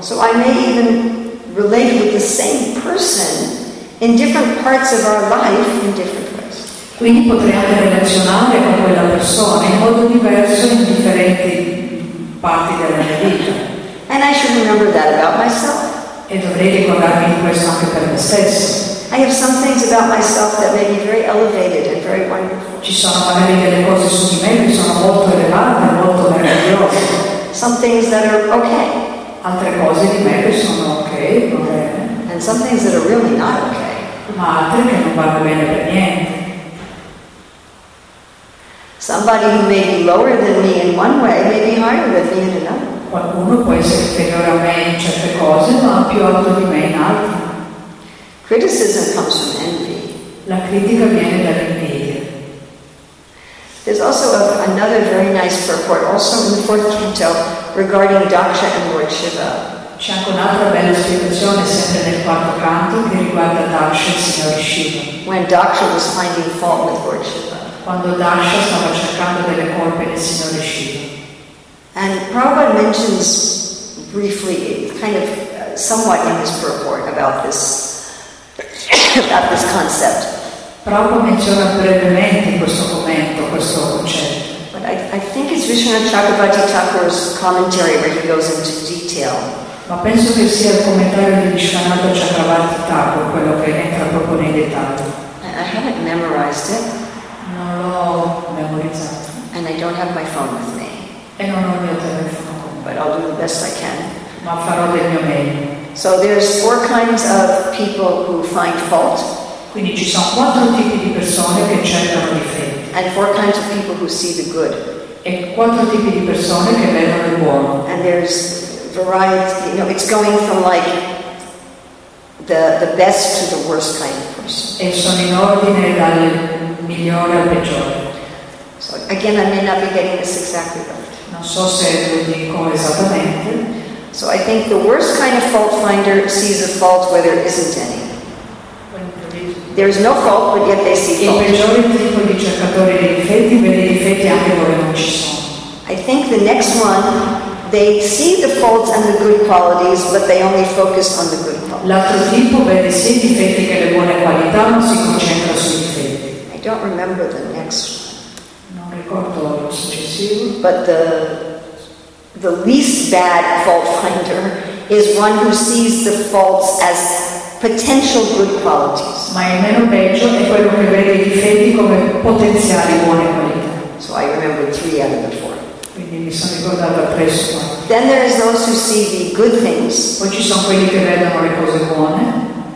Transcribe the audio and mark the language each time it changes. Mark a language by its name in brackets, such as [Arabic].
[English] So I may even relate with the same person in different parts of our life in different ways. [Italian] Quindi potrei anche relazionare con quella persona in modo diverso in differenti parti della mia vita. [English] And I should remember that about myself. [Italian] E dovrei ricordarmi di questo anche per me stesso. [English] I have some things about myself that may be very elevated and very wonderful. [Italian] Ci sono magari delle cose su di me che sono molto elevate, molto meravigliose. [English] Some things that are okay. [Italian] Altre cose di me che sono okay, [English] and some things that are really not okay. [Italian] Ma altre che non vanno bene per niente. [English] Somebody who may be lower than me in one way may be higher than me in another. [Italian] Qualcuno può essere inferiore a me in certe cose, ma più alto di me in altre. [English] Criticism comes from envy. [Italian] La critica viene dall'invidia. [English] There's also another very nice purport, also in the fourth canto, regarding Daksha and Lord Shiva. [Italian] C'è anche un'altra bella spiegazione, sempre nel quarto canto, che riguarda Daksha e Signore Shiva. [English] When Daksha was finding fault with Lord Shiva. [Italian] Quando Daksha stava cercando delle colpe nel Signore Shiva. [English] And Prabhupada mentions briefly, kind of somewhat in his purport about this about this concept. [Italian] Prabhupada menziona brevemente in questo momento questo concetto. [English] But I think it's Vishwanatha Chakravarti Thakur's commentary where he goes into detail. [Italian] Ma penso che sia il commentario di Vishwanatha Chakravarti Thakur quello che entra proprio nei dettagli. [English] I haven't memorized it. [Italian] Non l'ho memorizzato. [English] And I don't have my phone with me. [Italian] E non ho il mio telefono. [English] But I'll do the best I can. [Italian] Ma farò del mio meglio. [English] So there's four kinds of people who find fault. [Italian] Quindi ci sono quattro tipi di persone che cercano difetti. [English] And four kinds of people who see the good. [Italian] E quattro tipi di persone che vedono il buono. [English] And there's variety, you know, it's going from like the best to the worst kind of person. [Italian] E sono in ordine dal migliore al peggiore. [English] So again, I may not be getting this exactly right. [Italian] Non so se lo dico esattamente. [English] So I think the worst kind of fault finder sees a fault where there isn't any. There is no fault, but yet they see fault. [Italian] Il peggiore tipo di cercatore di difetti vede i difetti anche dove non ci sono. [English] I think the next one, they see the faults and the good qualities, but they only focus on the good qualities. [Italian] L'altro tipo vede sia i difetti che le buone qualità, ma si concentra sui difetti. [English] I don't remember the next one. [Italian] Ricordo il successivo. [English] But the least bad fault finder is one who sees the faults as potential good qualities. [Italian] Ma il meno peggio è quello che vede i difetti come potenziali buone qualità. [English] So I remember three out of the four. [Italian] Quindi mi sono ricordato tre su quattro. [English] Then there is those who see the good things. [Italian] Poi ci sono quelli che vedono le cose buone.